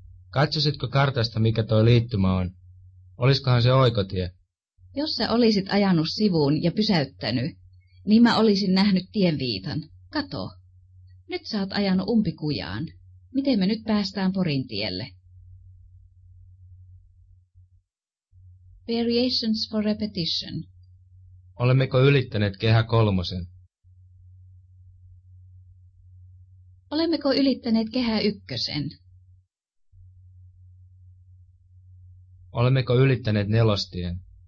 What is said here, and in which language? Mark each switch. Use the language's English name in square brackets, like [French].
[Finnish] Katsositko kartasta, mikä toi liittymä on? Olisikohan se oikotie? Jos sä olisit ajanut sivuun ja pysäyttänyt, niin mä olisin nähnyt tienviitan. Kato. Nyt sä oot ajanut umpikujaan. Miten me nyt päästään Porin tielle? [English] Variations for repetition. [Finnish] Olemmeko ylittäneet kehä kolmosen? Olemmeko ylittäneet kehä ykkösen? Olemmeko ylittäneet nelostien?